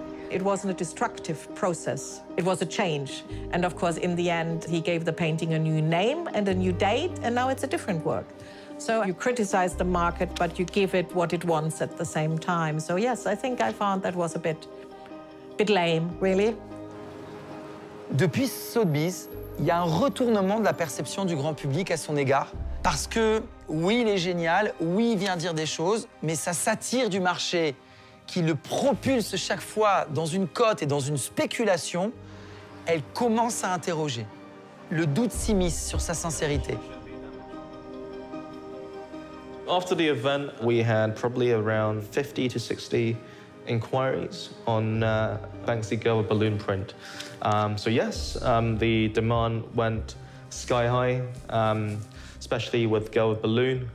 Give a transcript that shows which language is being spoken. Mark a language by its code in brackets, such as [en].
[en] It wasn't a destructive process. It was a change. And of course, in the end, he gave the painting a new name and a new date, and now it's a different work. So you criticize the market, but you give it what it wants at the same time. So yes, I think I found that was a bit lame, really. [fr] Depuis Sotheby's, il y a un retournement de la perception du grand public à son égard, Parce que, oui, il est génial, oui, il vient dire des choses, mais ça s'attire du marché qui le propulse chaque fois dans une cote et dans une spéculation, elle commence à interroger. Le doute s'immisce sur sa sincérité. [en] After the event, we had probably around 50 to 60 inquiries on Banksy Girl with Balloon Print. So yes, the demand went sky high, especially with Girl with Balloon.